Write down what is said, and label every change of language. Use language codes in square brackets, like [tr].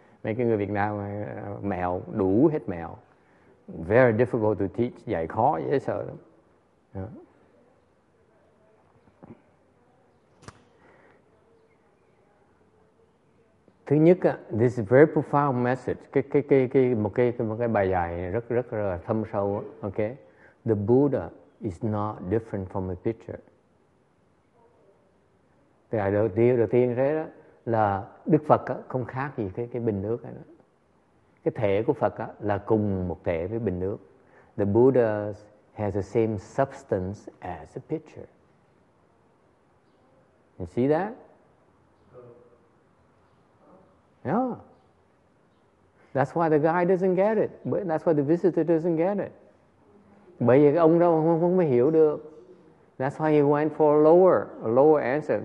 [vi] Mấy cái người Việt Nam mèo, đủ hết mèo. [en] Very difficult to teach, [vi] dạy khó, dễ sợ lắm. Yeah. Thứ nhất, [en] this is a very profound message. [vi] Một cái bài dạy rất, rất rất là thâm sâu. [en] Okay? The Buddha is not different from a picture. [vi] Thì đầu tiên thế đó là Đức Phật không khác gì cái bình nước này đó. Cái thể của Phật là cùng một thể với bình nước. [en] The Buddha has the same substance as a pitcher. You see that? Yeah. That's why the guy doesn't get it. That's why the visitor doesn't get it. [vi] Bởi vì ông đâu không hiểu được. [en] That's why he went for a lower answer.